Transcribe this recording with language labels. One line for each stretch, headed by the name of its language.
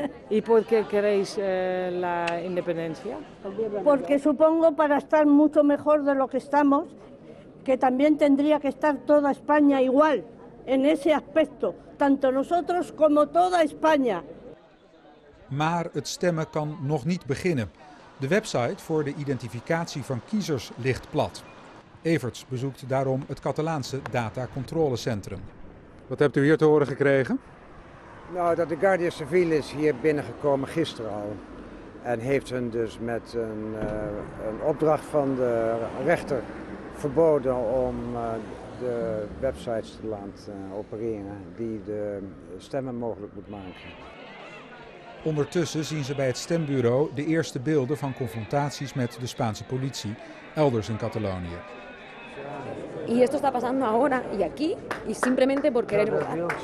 Spanish: ¿Y por qué queréis la independencia? Porque supongo para estar mucho mejor de lo que estamos, que también tendría que estar toda España igual en ese aspecto, tanto nosotros como toda España.
Dutch: Maar het stemmen kan nog niet beginnen. De website voor de identificatie van kiezers ligt plat. Everts bezoekt daarom het Catalaanse datacontrolecentrum. Wat hebt u hier te horen gekregen? Nou, dat de Guardia Civil is hier binnengekomen gisteren al. En heeft hen dus met een opdracht van de rechter verboden om de websites te laten opereren die de stemmen mogelijk moet maken. Ondertussen zien ze bij het stembureau de eerste beelden van confrontaties met de Spaanse politie elders in Catalonië.
Spanish: Y esto está pasando ahora y aquí y simplemente por querer votar.